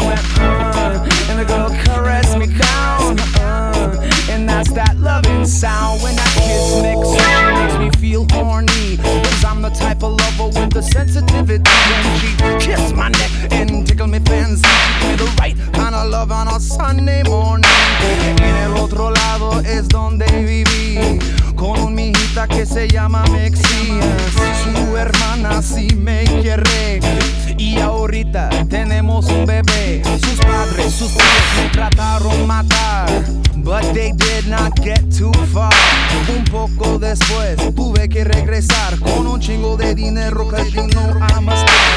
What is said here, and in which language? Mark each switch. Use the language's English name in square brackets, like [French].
[English] And I went, and the girl caressed me down, and that's that loving sound. When that kiss makes me, she makes me feel horny. Cause I'm the type of lover with the sensitivity. When she kissed my neck and tickled me fancy, with the right kind of love on a Sunday morning. [Spanish] En el otro lado es donde viví, con un mijita que se llama Mexia. Su hermana sí me quiere, y ahorita tenemos un bebé. Sus padres me trataron matar, [English] but they did not get too far. [Spanish] Un poco después tuve que regresar con un chingo de dinero que yo no amasté.